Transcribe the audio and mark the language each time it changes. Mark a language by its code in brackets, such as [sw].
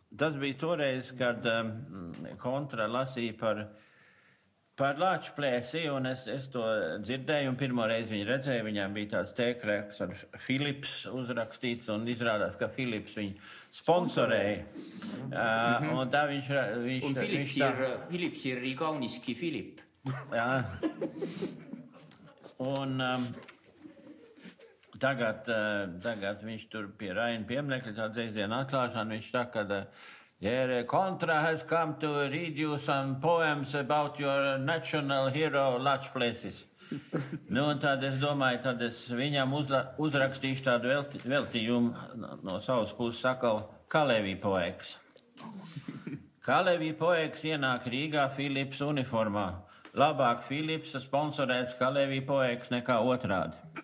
[lv] Tas bija toreiz, kad kontra lasīja par lāču plēsi, un es to dzirdēju, un pirmo reizi viņu redzēju, viņam bija tāds tēkrēks ar Philips uzrakstīts, un izrādās, ka Philips viņu sponsorēja. Un tā viņš un Philips, viņš tā... Philips ir igauniski Philip. Jā. Un tagad viņš tur pie Raina piemnekļa tā dzēsdienu atklāšanu, viņš tā, kad... [en] Here, Contra has come to read you some poems about your national hero, Lach Places. [lv] Nu, un tad es domāju, tad es viņam uzrakstīšu tādu veltījumu no savas puses, sakau, Kalevi poeks. Kalevi poeks ienāk Rīgā Philips uniformā. Labāk Philips sponsorēts Kalevi poeks nekā otrādi.